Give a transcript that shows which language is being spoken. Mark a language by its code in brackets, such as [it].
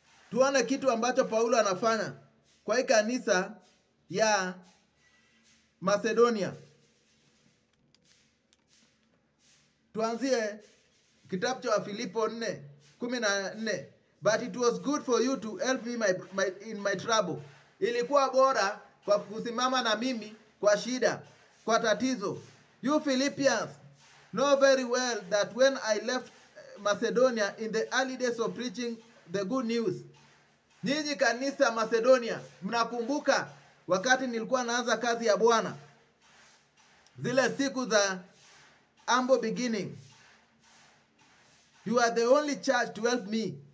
[sw] Tuone kitu ambacho Paulo anafanya kwa hii kanisa ya Macedonia. Tuanzie kitabu cha Filipo 4:14. [en] But it was good for you to help me in my trouble. [sw] Ilikuwa bora kwa kusimama na mimi kwa shida, kwa tatizo. [en] You Philippians know very well that when I left Macedonia in the early days of preaching the good news. [sw] Nyinyi kanisa Macedonia, mnakumbuka wakati nilikuwa naanza kazi ya Bwana. Zile siku za [en] humble beginning. You are the only church to help me.